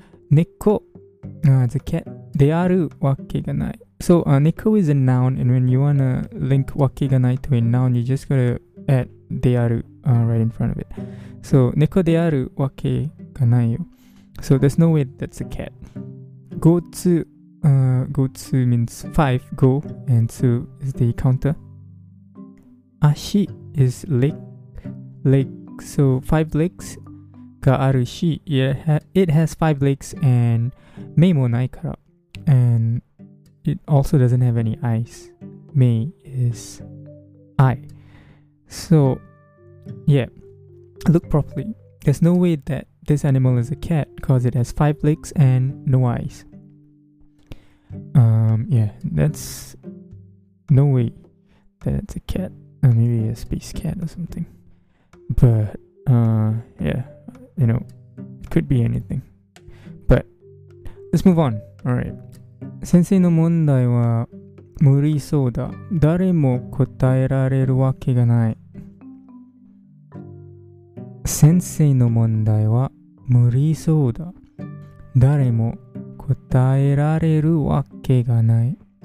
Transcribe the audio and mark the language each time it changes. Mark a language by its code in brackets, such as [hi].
[ja] 猫、 [en] the cat, [ja] であるわけがない。 [en] So, 猫 is a noun, and when you wanna link わけがないと a noun, you just gotta add である、right in front of it. [ja] So, 猫であるわけがないよ。 [en] So, there's no way that's a cat. Go to, go to means five, go, and two is the counter. 足 is leg, leg, so five legs. [ja] があるし、 [en] it has five legs and [ja] 目もないから。 [en] And it also doesn't have any eyes. 目 is eye. So, yeah, look properly. There's no way that this animal is a cat because it has five legs and no eyes. Yeah, that's no way that it's a cat. Maybe a space cat or something. But, yeah.You know, could be anything. But Let's move on. Alright. [ja] 先生の問題は無理そうだ。誰も答えられるわけがない。先生の問題は無理そうだ。誰も答えられるわけがない。